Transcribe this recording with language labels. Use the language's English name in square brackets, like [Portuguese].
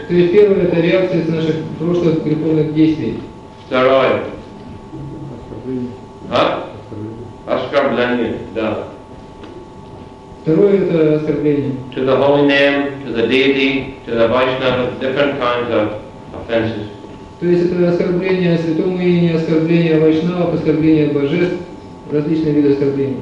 [Russian] То есть первое это реакция из наших прошлых греховных действий. Второе. Оскорбление. Да. Второе это оскорбление. [English] To the holy name, to the deity, to the Vaishnava, different kinds of offenses. [Russian] То есть это оскорбление святому имени, оскорбление Вайшнава, оскорбление божеств, различные виды оскорблений.